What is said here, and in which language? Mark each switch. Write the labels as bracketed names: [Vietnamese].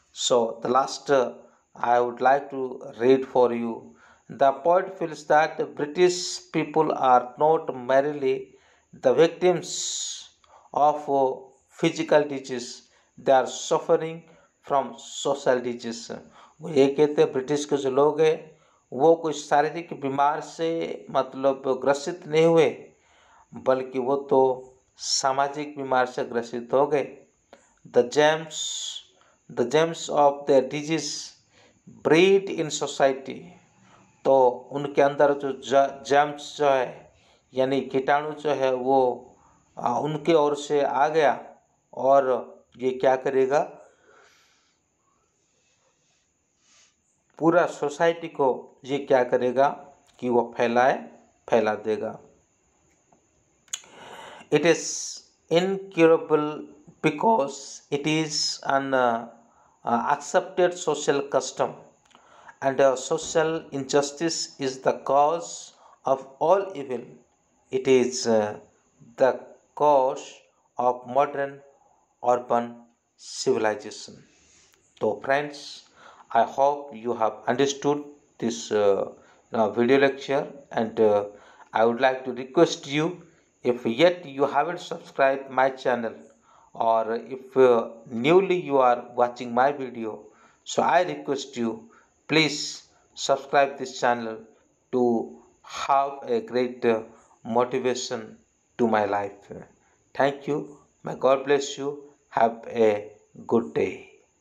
[English] So the last I would like to read for you. The poet feels that British people are not merely the victims of physical disease, they are suffering from social disease. [Hindi] वो ये कहते हैं British के जो लोग हैं वो कोई शारीरिक बीमार से मतलब ग्रसित नहीं हुए, बल्कि वो तो सामाजिक बीमार से ग्रसित हो गए। [English] the germs of the disease breed in society, [Hindi] तो उनके अंदर जो जेम्स जो है यानी कीटाणु जो है वो उनके ओर से आ गया, और ये क्या करेगा, पूरा सोसाइटी को ये क्या करेगा कि वो फैला देगा। [English] It is incurable because it is an accepted social custom, and social injustice is the cause of all evil, it is the cause of modern urban civilisation. तो friends, I hope you have understood this video lecture, and I would like to request you, if yet you haven't subscribed my channel, or if newly you are watching my video, so I request you, please subscribe this channel to have a great motivation to my life. Thank you. May God bless you. Have a good day.